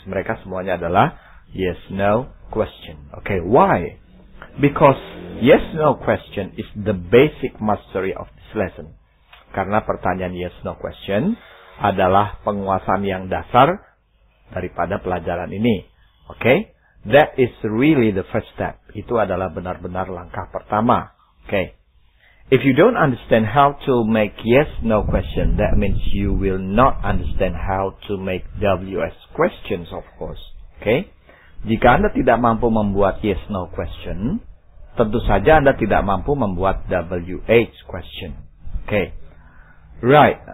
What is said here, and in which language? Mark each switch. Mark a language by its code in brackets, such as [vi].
[id] Mereka semuanya adalah yes-no question. [en] Okay, why? Because yes-no question is the basic mastery of this lesson. [id] Karena pertanyaan yes-no question adalah penguasaan yang dasar daripada pelajaran ini. Okay. [en] That is really the first step. [id] Itu adalah benar-benar langkah pertama. [en] Okay. If you don't understand how to make yes-no question, that means you will not understand how to make WH questions, of course. [id] Okay. Jika Anda tidak mampu membuat yes-no question, tentu saja Anda tidak mampu membuat WH question. Okay. Right.